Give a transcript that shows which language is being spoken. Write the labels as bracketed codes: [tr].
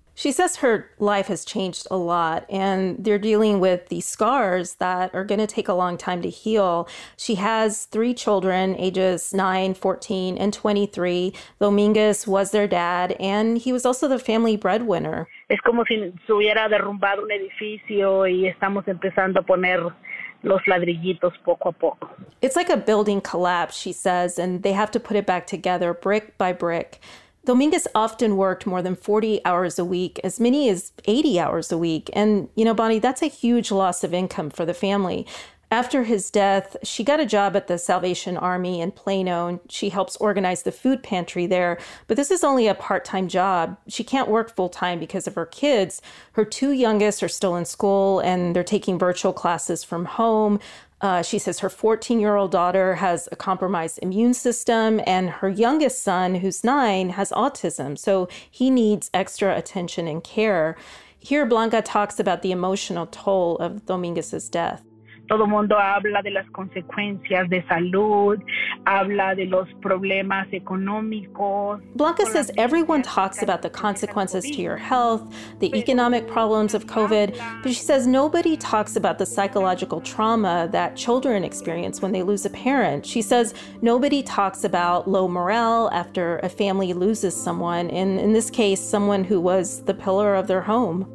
[en] She says her life has changed a lot, and they're dealing with the scars that are going to take a long time to heal. She has three children, ages 9, 14, and 23. Dominguez was their dad, and he was also the family breadwinner. [es] Es como si se hubiera derrumbado un edificio y estamos empezando a poner los ladrillitos poco a poco. [en] It's like a building collapse, she says, and they have to put it back together brick by brick. Dominguez often worked more than 40 hours a week, as many as 80 hours a week. And, you know, Bonnie, that's a huge loss of income for the family. After his death, she got a job at the Salvation Army in Plano, and she helps organize the food pantry there. But this is only a part-time job. She can't work full-time because of her kids. Her two youngest are still in school, and they're taking virtual classes from home. She says her 14-year-old daughter has a compromised immune system, and her youngest son, who's 9, has autism, so he needs extra attention and care. Here, Blanca talks about the emotional toll of Dominguez's death. [es] Todo mundo habla de las consecuencias de salud, habla de los problemas económicos. [en] Blanca says everyone talks about the consequences to your health, the economic problems of COVID, but she says nobody talks about the psychological trauma that children experience when they lose a parent. She says nobody talks about low morale after a family loses someone, and in this case, someone who was the pillar of their home.